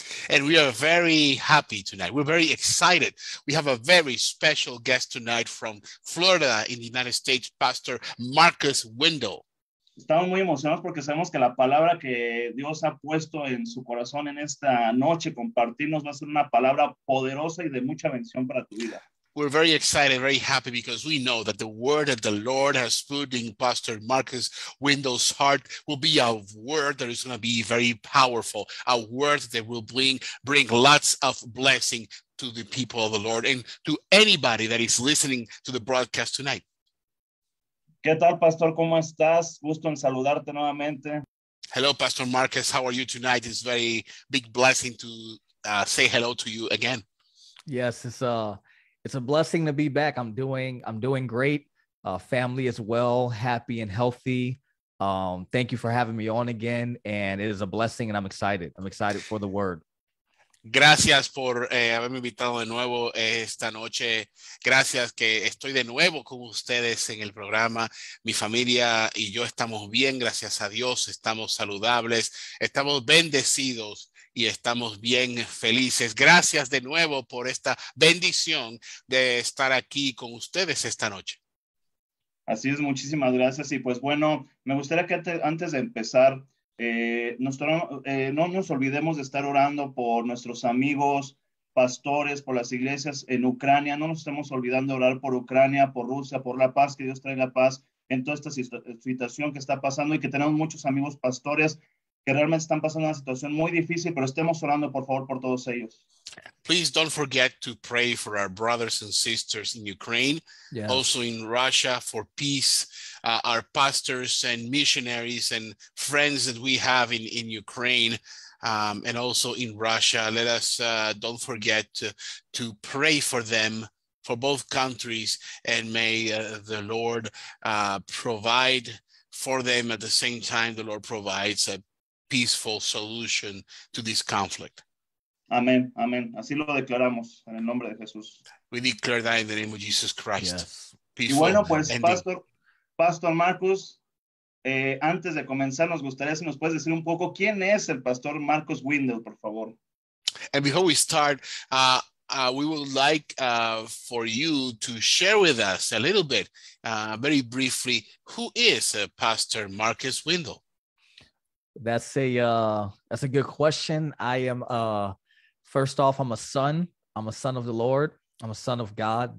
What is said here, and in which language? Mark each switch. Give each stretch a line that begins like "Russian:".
English: And we are very happy tonight. We're very excited. We have a very special guest tonight from Florida in the United States, Pastor Marcus Windle.
Spanish: Estamos muy emocionados porque sabemos que la palabra que Dios ha puesto en su corazón en esta noche compartirnos va a ser una palabra poderosa y de mucha bendición para tu vida.
English: We're very excited, very happy, because we know that the word that the Lord has put in Pastor Marcus Windle's heart will be a word that is going to be very powerful, a word that will bring lots of blessing to the people of the Lord and to anybody that is listening to the broadcast tonight.
Spanish: ¿Qué tal, Pastor? ¿Cómo estás? Gusto en saludarte nuevamente.
English: Hello, Pastor Marcus. How are you tonight? It's a very big blessing to say hello to you again. Yes, it's a blessing to be back. I'm doing great. Family as well, happy and healthy. Thank you for having me on again. And it is a blessing, and I'm excited. I'm excited for the word.
Spanish: Gracias por haberme invitado de nuevo esta noche. Gracias que estoy de nuevo con ustedes en el programa. Mi familia y yo estamos bien, gracias a Dios. Estamos saludables, estamos bendecidos. Y estamos bien felices. Gracias de nuevo por esta bendición de estar aquí con ustedes esta noche. Así es, muchísimas gracias. Y pues bueno, me gustaría que antes de empezar, no nos olvidemos de estar orando por nuestros amigos, pastores, por las iglesias en Ucrania. No nos estemos olvidando de orar por Ucrania, por Rusia, por la paz, que Dios traiga paz en toda esta situación que está pasando y que tenemos muchos amigos pastores que realmente están pasando una situación muy difícil, pero estemos orando, por favor, por todos ellos.
English: Please don't forget to pray for our brothers and sisters in Ukraine, yeah. Also in Russia, for peace, our pastors and missionaries and friends that we have in Ukraine, and also in Russia. Let us don't forget to pray for them, for both countries, and may the Lord provide for them. At the same time, the Lord provides a peaceful solution to this conflict. Amen, amen.
Spanish: Así lo declaramos en el nombre de Jesús.
English: We declare that in the name of Jesus Christ.
Spanish: Yes. Y bueno, pues, ending. Pastor Marcus, antes de comenzar, nos gustaría si nos puedes decir un poco quién es el Pastor Marcus Windle, por favor.
English: And before we start, we would like for you to share with us a little bit, very briefly, who is Pastor Marcus Windle? That's a good question. I am, first off, I'm a son. I'm a son of the Lord. I'm a son of God.